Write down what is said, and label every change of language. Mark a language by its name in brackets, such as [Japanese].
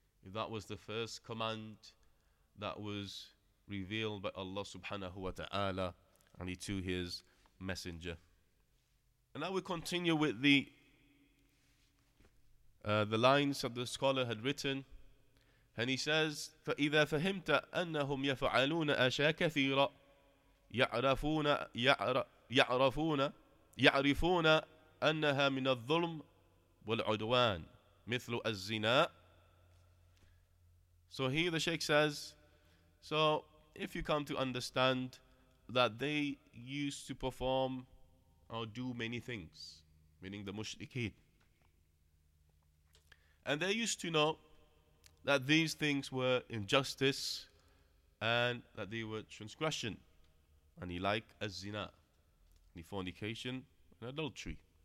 [English] If that was the first command that was revealed by Allah subhanahu wa ta'ala to his messenger. And now we continue with the lines that the scholar had written. And he says, [Arabic] فَإِذَا فَهِمْتَ أَنَّهُمْ يَفَعَلُونَ أَشَيَا كَثِيرًا يعرفون أنها من الظلم والعدوان مثل الزنا. [English] So here the Shaykh says, so if you come to understand that they used to perform or do many things, meaning the mushrikeen, and they used to know that these things were injustice and that they were transgression, and he like a zina, the fornication and adultery.